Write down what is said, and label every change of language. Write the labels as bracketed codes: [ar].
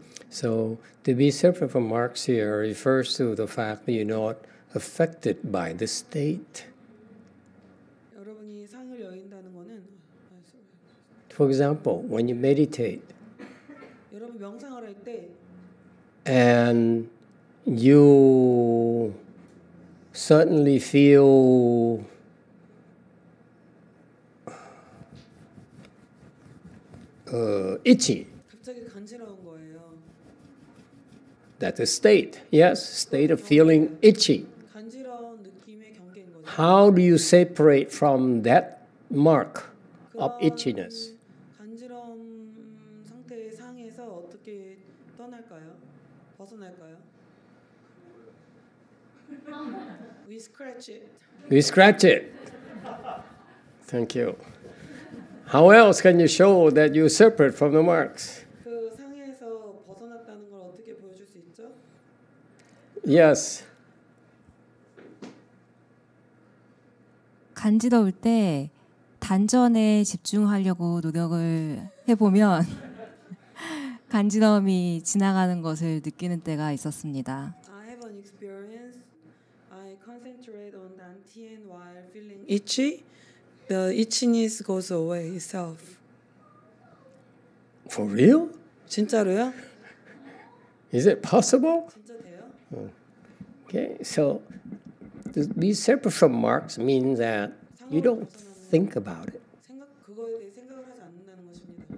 [en] So to be separate from Marx here refers to the fact that you're not affected by the state. [ko] 여러분이 상을 여긴다는 거는 [en] For example, when you meditate. [ko] 여러분 명상을 할 때 [en] And you suddenly feel itchy. [ko] 갑자기 간지러운 거예요. [en] That's a state, yes, state of feeling itchy. [ko] 간지러운 느낌의 경계인 거죠. [en] How do you separate from that mark of itchiness? [ko] 간지러운 상태의 상에서 어떻게 떠날까요? 벗어날까요? [en] We scratch it. Thank you. How else can you show that you separate from the marks? [ko] 그 상에서 벗어났다는 걸 어떻게 보여줄 수 있죠? [en] Yes. [ko] 간지러울 때 단전에 집중하려고 노력을 해보면 간지러움이 지나가는 것을 느끼는 때가 있었습니다. [en] I have an experience. I concentrate on dantian while feeling itchy. The itchiness goes away itself. For real? [ko] 진짜로요? [en] Is it possible? [ko] 진짜 돼요? [en] Okay, so to be separate from marks means that you don't think about it. [ko] 그거에 대해 생각을 하지 않는다는 것입니다.